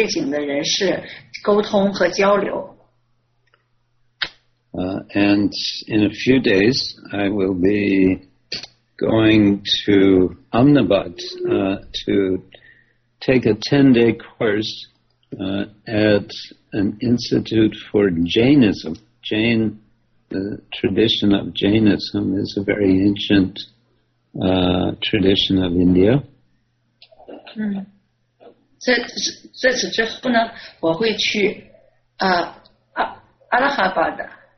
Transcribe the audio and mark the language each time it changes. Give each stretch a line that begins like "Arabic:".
Chinese: 这是一个很有意思的话题。我们如何和不同宗教背景的人士沟通和交流？
English: And in a few days, I will be going to Ahmedabad to take a 10-day course at an institute for Jainism. Jain, the tradition of Jainism, is a very ancient tradition of India.
Chinese: 在此之后呢，我会去阿拉哈巴的。